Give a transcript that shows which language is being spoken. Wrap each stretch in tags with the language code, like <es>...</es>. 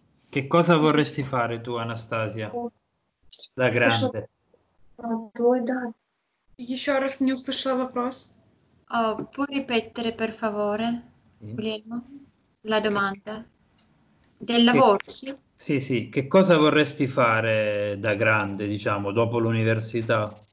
<it>Che cosa vorresti fare tu, Anastasia? Da grande.</it> <ru>Еще раз не услышала вопрос.</ru> <it>Puoi ripetere, per favore, Guglielmo, la domanda? Del lavoro, sì? Sì, sì. Che cosa vorresti fare da grande, diciamo, dopo l'università?</it>